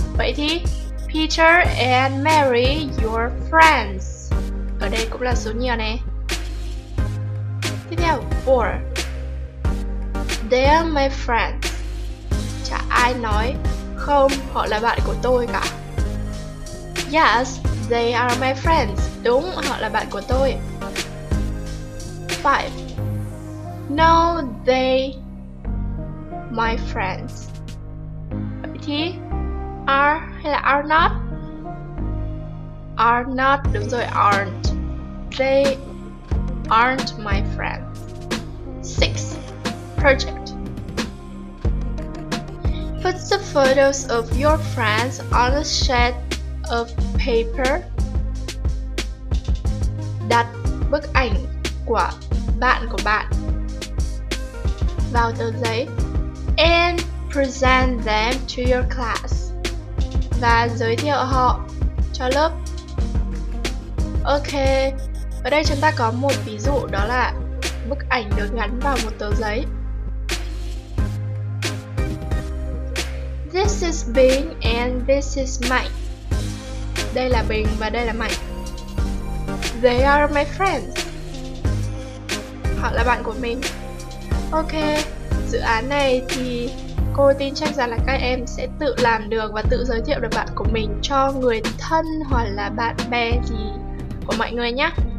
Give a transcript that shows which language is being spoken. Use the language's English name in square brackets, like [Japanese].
[Vietnamese] Vậy thì [English] Peter and Mary, your friends. [Vietnamese] Ở đây cũng là số nhiều nè. Tiếp theo, 4, [English] they are my friends. [Vietnamese] Chả ai nói không, họ là bạn của tôi cả. [English] Yes, they are my friends. [Vietnamese] Đúng, họ là bạn của tôi. [English] 5, no, they my friends. [Vietnamese] Vậy thì are hay là are not? [English] Are not, [Vietnamese] đúng rồi, aren't. [English] They aren't my friends. 6, project. Put the photos of your friends on the sheet of paper. [Vietnamese] Đặt bức ảnh của bạn vào tờ giấy. [English] And present them to your class. [Vietnamese] Và giới thiệu họ cho lớp. Ok, ở đây chúng ta có một ví dụ, đó là bức ảnh được gắn vào một tờ giấy. [English] This is Bing and this is Mike. [Vietnamese] Đây là Bình và đây là Mạnh. [English] They are my friends. [Vietnamese] Họ là bạn của mình. Ok, dự án này thì cô tin chắc rằng là các em sẽ tự làm được và tự giới thiệu được bạn của mình cho người thân hoặc là bạn bè gì của mọi người nhé.